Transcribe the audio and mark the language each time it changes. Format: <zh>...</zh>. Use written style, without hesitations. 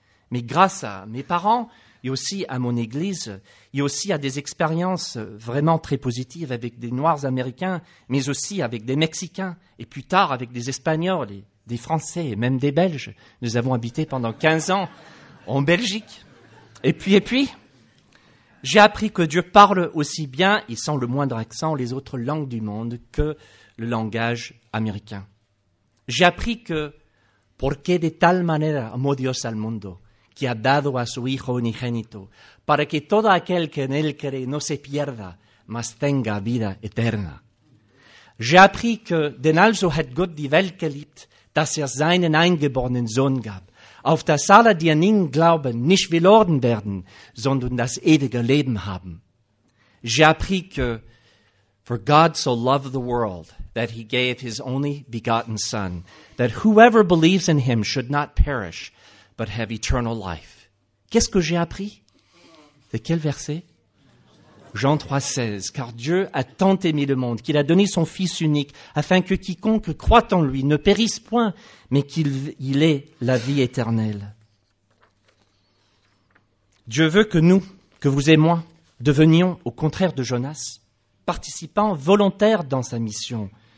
<fr>Mais grâce à mes parents et aussi à mon église, et aussi à des expériences vraiment très positives avec des Noirs américains, mais aussi avec des Mexicains, et plus tard avec des Espagnols, et des Français, et même des Belges. Nous avons habité pendant 15 ans en Belgique. Et puis, j'ai appris que Dieu parle aussi bien, et sans le moindre accent, les autres langues du monde que le langage américain. J'ai appris que</fr> <es>« Porque de tal manera amó Dios al mundo » qui a dado a su hijo unigénito, para que todo aquel que en él cree no se pierda, mas tenga vida eterna.</es> <fr>J'ai appris que,</fr> <de>denn also hat Gott die Welt geliebt, dass seinen eingeborenen Sohn gab, auf dass alle, die an ihn glauben, nicht verloren werden, sondern das ewige Leben haben.</de> <fr>J'ai appris que,</fr> <en>for God so loved the world, that he gave his only begotten Son, that whoever believes in him should not perish, but have eternal life.</en> <fr>Qu'est-ce que j'ai appris? C'est quel verset? Jean 3,16. Car Dieu a tant aimé le monde qu'il a donné son Fils unique afin que quiconque croit en lui ne périsse point, mais qu'il ait la vie éternelle. Dieu veut que nous, que vous et moi, devenions, au contraire de Jonas, participants volontaires dans sa mission.</fr>